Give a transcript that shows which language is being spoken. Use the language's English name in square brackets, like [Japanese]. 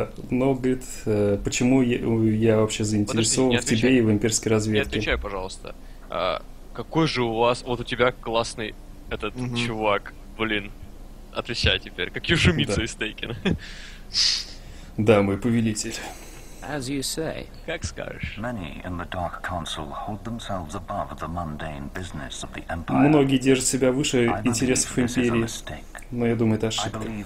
[Russian] Но, говорит, почему я вообще заинтересован в тебе и в имперской разведке? Не отвечай, пожалуйста. Какой же у вас... Вот у тебя классный этот чувак. Блин, отвечай теперь. Как Юшумицу из Тейкена. Да, мой повелитель. [English] As you say, [Russian] как скажешь. [English] Many in the Dark Council hold themselves above the mundane business of the Empire. [Russian] Многие держат себя выше интересов империи. Но я думаю, это ошибка.